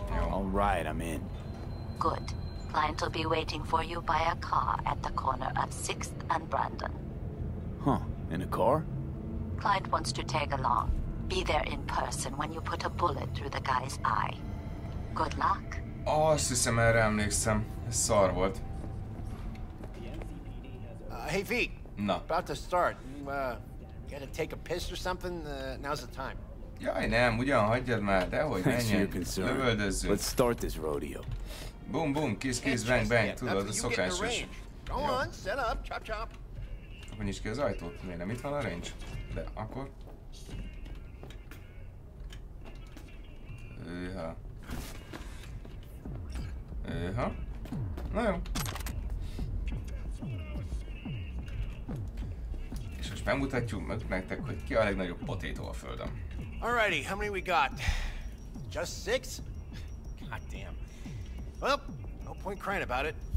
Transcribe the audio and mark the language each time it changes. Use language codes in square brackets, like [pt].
[en] All right, I'm in. Good. Client will be waiting for you by a car at the corner of 6th and Brandon. Huh, in a car? Client wants to tag along. Be there in person when you put a bullet through the guy's eye. Good luck. [hu] Azt hiszem, erre emlékszem. Ez szar volt. [en] Hey, V. [hu] Na. [en] About to start. Gotta take a piss or something? Now's the time. [hu] Jaj, nem. Ugyan hagyjad már. Dehogy, menjen. Lövöldözzük. [en] Let's start this rodeo. Boom, boom. Kiss, kiss, bang, bang. [hu] Tudod, a szokásos. [en] Go on, set up. Chop, chop. [hu] Akkor nyisd ki az ajtót. Miért nem itt van a range? De akkor... Jaj. Ha. Na jó. És most megmutatjuk meg nektek, hogy ki a legnagyobb potétó a földön. [en] Alrighty, how many we got? Just six? God damn. Well, no point crying about it.